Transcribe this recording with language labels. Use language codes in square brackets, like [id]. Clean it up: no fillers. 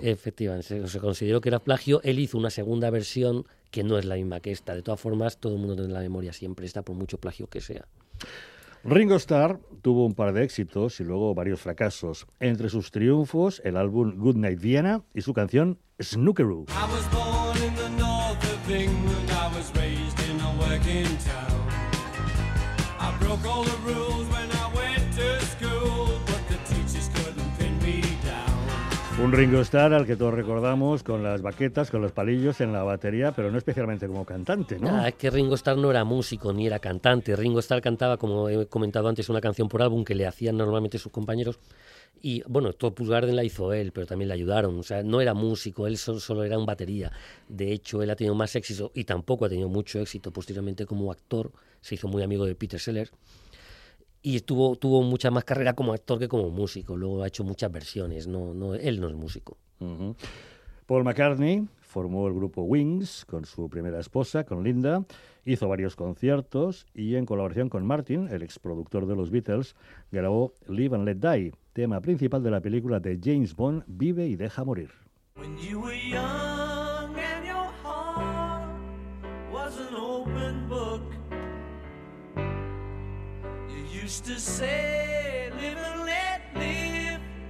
[es] Efectivamente, se consideró que era plagio. Él hizo una segunda versión que no es la misma que esta. De todas formas, todo el mundo tiene la memoria siempre esta, por mucho plagio que sea. Ringo Starr tuvo un par de éxitos y luego varios fracasos. Entre sus triunfos, el álbum Goodnight Vienna y su canción Snookeroo. [en] I was born in the north of England, I was raised in a working town. I broke all the rules when I went to school, but the teachers couldn't pin me down. [es] Un Ringo Starr al que todos recordamos con las baquetas, con los palillos en la batería, pero no especialmente como cantante, ¿no? Es que Ringo Starr no era músico ni era cantante. Ringo Starr cantaba, como he comentado antes, una canción por álbum que le hacían normalmente sus compañeros. Y bueno, Top Garden la hizo él, pero también le ayudaron. O sea, no era músico, él solo era un batería. De hecho, él ha tenido más éxito, y tampoco ha tenido mucho éxito posteriormente como actor. Se hizo muy amigo de Peter Sellers. Y tuvo mucha más carrera como actor que como músico. Luego ha hecho muchas versiones. No, él no es músico. Uh-huh. Paul McCartney formó el grupo Wings con su primera esposa, con Linda. Hizo varios conciertos y en colaboración con Martin, el exproductor de los Beatles, grabó Live and Let Die, tema principal de la película de James Bond, Vive y Deja Morir. [en] When you were young and your heart was an open book, used to say, live and let live.